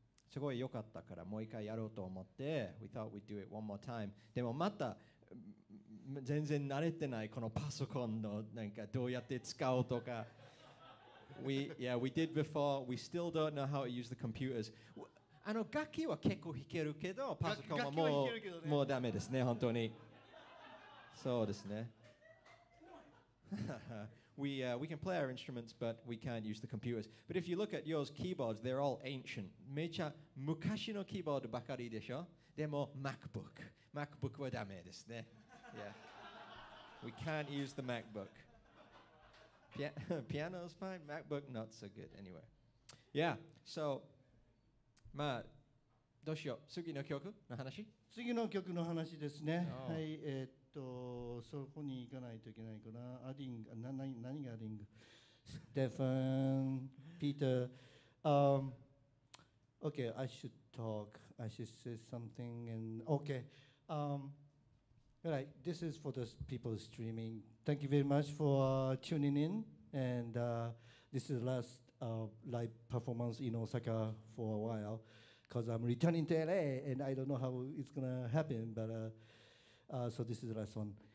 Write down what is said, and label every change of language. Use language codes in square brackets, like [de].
[ja] すごい良かったからもう一回やろうと思って [en] We thought we'd do it one more time. [ja] でもまた全然慣れてないこのパソコンのなんかどうやって使おうとか。 [en] we did before. We still don't know how to use the computers. [ja] あの楽器は結構弾けるけどパソコンはもうダメですね本当に。そうですね。 [en] We can play our instruments, but we can't use the computers. But if you look at yours keyboards, they're all ancient. [ja] めちゃ昔のキーボードばかりでしょ。でも MacBook。 MacBook はダメですね。 [en] Yeah. We can't use the MacBook. Piano's fine, MacBook not so good anyway. Yeah, so... [ja] まあ、どうしよう。次の曲の話？次の曲の話ですね。Oh. はい。そこに行かないといけないかな。アディング、何がアディング？ [en] ステファン、ピーター、Okay, I should talk. I should say something. And okay, all right. This is for the people streaming. Thank you very much for tuning in. and this is the last live performance in Osaka for a while because I'm returning to LA and I don't know how it's gonna happen, but so this is the last one.